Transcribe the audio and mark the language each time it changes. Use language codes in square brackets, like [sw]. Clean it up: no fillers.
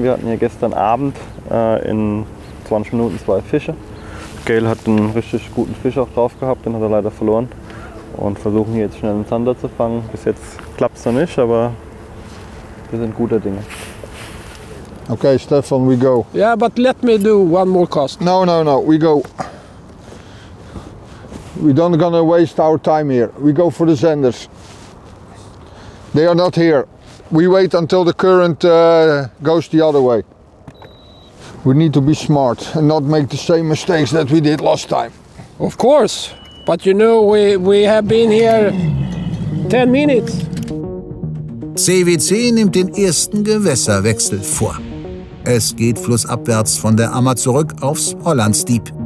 [de] Wir hatten hier gestern Abend in 20 Minuten zwei Fische. Gail hat einen richtig guten Fisch auch drauf gehabt, den hat er leider verloren. Und versuchen hier jetzt schnell einen Zander zu fangen. Bis jetzt klappt es noch nicht, aber wir sind guter Dinge. [en] Okay, Stefan, we go. Yeah, but let me do one more cast. No, no, no, we go. We don't gonna waste our time here. We go for the zenders. They are not here. We wait until the current goes the other way. We need to be smart and not make the same mistakes that we did last time. Of course, but you know, we have been here 10 minutes. [de] CWC nimmt den ersten Gewässerwechsel vor. Es geht flussabwärts von der Ammer zurück aufs Hollandsdiep.